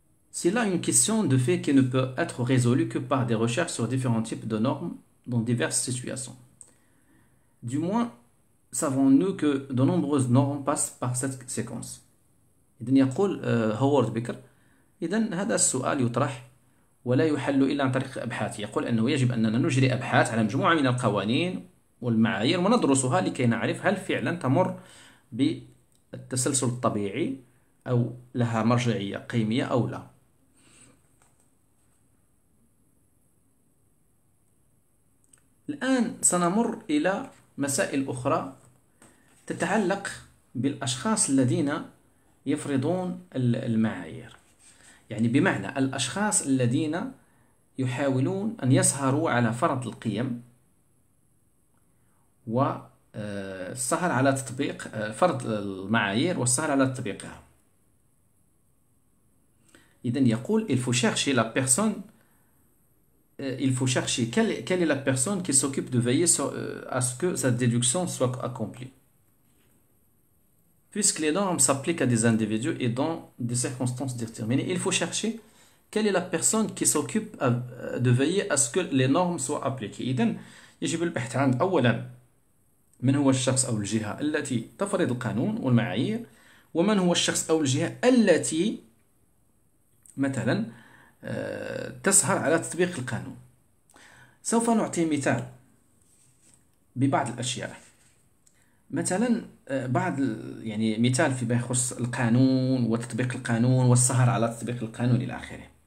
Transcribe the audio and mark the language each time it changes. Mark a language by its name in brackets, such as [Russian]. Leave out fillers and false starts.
[French] C'est là une question de fait qui ne peut être résolue que par des recherches sur différents types de normes dans diverses situations. Du moins, savons-nous que de nombreuses normes passent par cette séquence. Et donc, [Arabic] يقول Howard Baker, إذن هذا السؤال يطرح ولا يحل إلا عن طريق أبحاث. يقول أنه يجب أننا نجري أبحاث على مجموعة من القوانين والمعايير وندرسها لكي نعرف هل فعلا تمر بالتسلسل الطبيعي أو لها مرجعية قيمية أو لا. الآن سنمر إلى مسائل أخرى تتعلق بالأشخاص الذين يفرضون المعايير، يعني بمعنى الأشخاص الذين يحاولون أن يسهروا على فرض القيم و السهر على تطبيق فرض المعايير والسهر على تطبيقها. إذا يقول [French] il faut chercher la personne, il faut chercher quelle est la personne qui s'occupe de veiller à ce que cette déduction soit accomplie. Puisque les normes s'appliquent à des individus et dans des circonstances déterminées, il faut chercher quelle est la personne qui s'occupe de veiller à ce que les normes soient appliquées. [Arabic] إذا يجب البحث عن أولا من هو الشخص أو الجهة التي تفرض القانون والمعايير، ومن هو الشخص أو الجهة التي مثلا تسهر على تطبيق القانون. سوف نعطي مثال ببعض الأشياء، مثلا بعض يعني مثال فيما يخص القانون وتطبيق القانون والسهر على تطبيق القانون إلى آخره.